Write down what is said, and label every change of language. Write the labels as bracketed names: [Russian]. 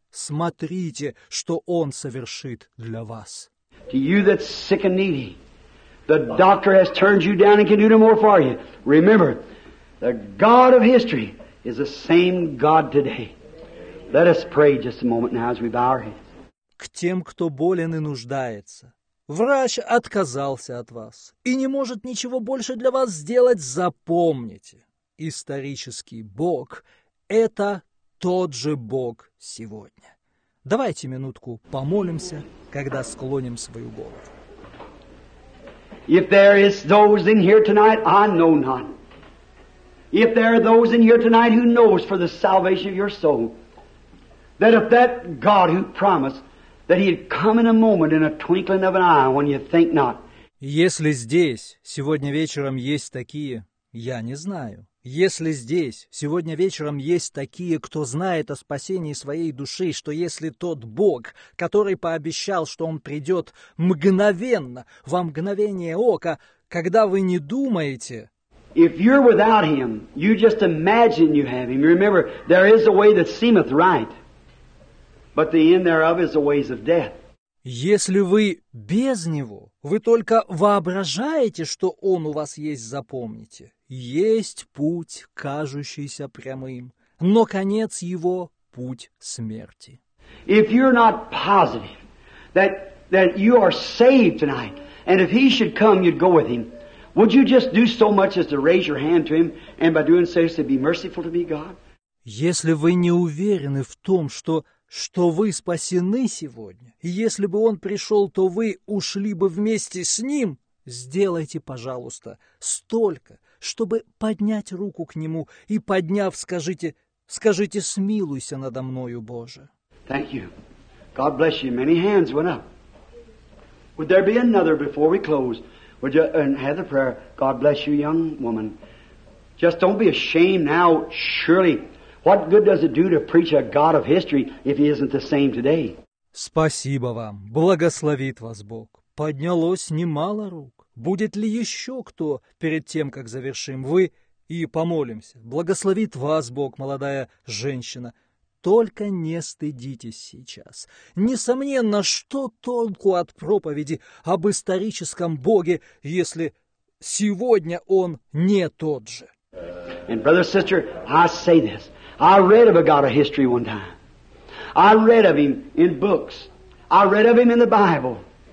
[Russian] Смотрите, что Он совершит для вас. [English] To you that's sick and needy, the doctor has turned you down and can do no more for you. Remember, the God of history is the same God today. Let us pray just a moment now as we bow our heads. [Russian] К тем, кто болен и нуждается. Врач отказался от вас и не может ничего больше для вас сделать, запомните. Исторический Бог – это тот же Бог сегодня. Давайте минутку помолимся, когда склоним свою голову. [English] If there is those in here tonight, I know not. If there are those in here tonight who knows for the salvation of your soul, that if that God who promised that He'd come in a moment, in a twinkling of an eye, when you think not. [Russian] Если здесь сегодня вечером есть такие, я не знаю. Если здесь сегодня вечером есть такие, кто знает о спасении своей души, что если тот Бог, который пообещал, что Он придет мгновенно, во мгновение ока, когда вы не думаете... [English] If you're without Him, you just imagine you have Him. Remember, there is a way that seemeth right, but the end thereof is the ways of death. [Russian] Если вы без Него, вы только воображаете, что Он у вас есть, запомните. Есть путь, кажущийся прямым, но конец его – путь смерти. [English] If you're not positive that you are saved tonight, and if He should come, you'd go with Him, would you just do so much as to raise your hand to Him, and by doing so, say, be merciful to me, God? [Russian] Если вы не уверены в том, что вы спасены сегодня, если бы Он пришел, то вы ушли бы вместе с Ним, сделайте, пожалуйста, столько, чтобы поднять руку к Нему и, подняв, скажите, смилуйся надо мною, Боже. [English] Thank you. God bless you. Many hands went up. Would there be another before we close? Would you have the prayer? God bless you, young woman. Just don't be ashamed now, surely. What good does it do to preach a God of history if He isn't the same today? [Russian] Спасибо вам. Благословит вас Бог. Поднялось немало рук. Будет ли еще кто перед тем, как завершим? Вы и помолимся. Благословит вас Бог, молодая женщина. Только не стыдитесь сейчас. Несомненно, что толку от проповеди об историческом Боге, если сегодня Он не тот же? [English] And brother, sister, I say this. I read of a God of history one time. I read of Him in books. I read of Him in the Bible.